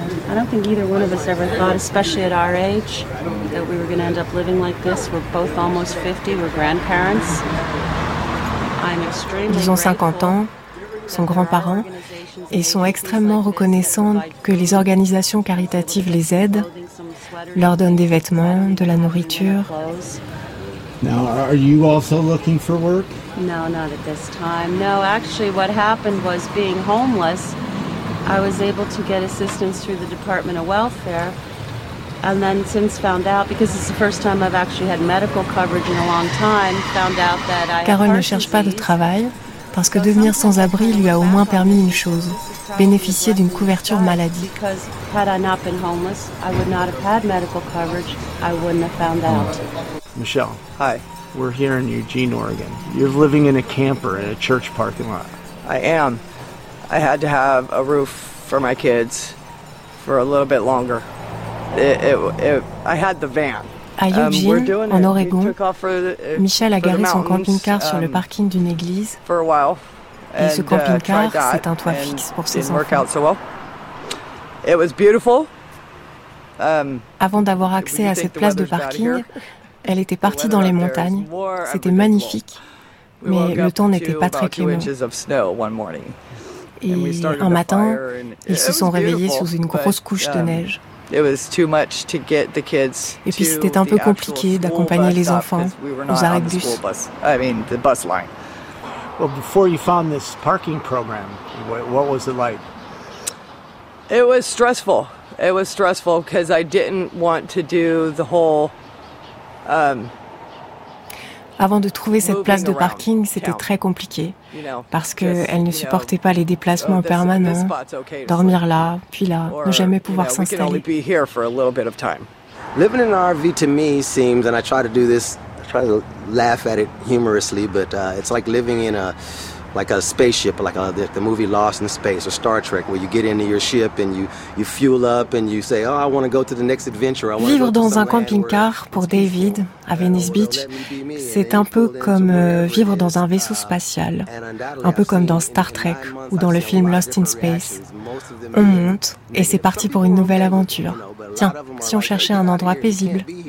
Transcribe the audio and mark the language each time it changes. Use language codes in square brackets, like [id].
[en] I don't think either one of us ever thought, especially at our age, that we were going to end up living like this. We're both almost 50. We're grandparents. I'm extremely. [fr] Ils ont 50 ans, sont grands-parents, et sont extrêmement reconnaissants que les organisations caritatives les aident, leur donnent des vêtements, de la nourriture. [en] Now, are you also looking for work? No, not at this time. No, actually, what happened was being homeless, I was able to get assistance through the Department of Welfare, and then since found out, because it's the first time I've actually had medical coverage in a long time, found out that I. [fr] Carole ne cherche pas de travail parce que devenir sans-abri lui a au moins permis une chose, bénéficier d'une couverture maladie. [en] Because had I not been homeless, I would not have had medical coverage. I wouldn't have found out. Michelle. Hi. We're here in Eugene, Oregon. You're living in a camper in a church parking lot. I am. I had to have a roof for my kids for a little bit longer. I had the van. [fr] À Eugene, en Oregon, Michelle a garé son camping-car sur le parking d'une église. [en] For a while. [fr] Et ce camping-car, c'est un toit fixe pour ses enfants. [en] Work out so well. It was beautiful. [fr] Avant d'avoir accès à cette place de parking, elle était partie dans les montagnes, c'était magnifique, mais le temps n'était pas très clément. Et un matin, ils se sont réveillés sous une grosse couche de neige. Et puis c'était un peu compliqué d'accompagner les enfants aux arrêts de bus. [en] I mean, the bus line. Well, before you found this parking program, what was it like? It was stressful. It was stressful because I didn't want to do the whole. [fr] Avant de trouver cette place de parking, c'était très compliqué parce qu'elle ne supportait pas les déplacements permanents, dormir là, puis là, ne jamais pouvoir s'installer. [en] Living in an RV to me seems, and I try to do this, I try to laugh at it humorously, but it's like living in a like a spaceship, like a, the movie Lost in Space or Star Trek, where you get into your ship and you fuel up and you say, oh, I want to go to the next adventure. [fr] Vivre dans un camping-car pour David à Venice Beach, c'est un peu comme vivre dans un vaisseau spatial, un peu comme dans Star Trek ou dans le film Lost in Space. On monte et c'est parti pour une nouvelle aventure. Tiens, si on cherchait un endroit paisible.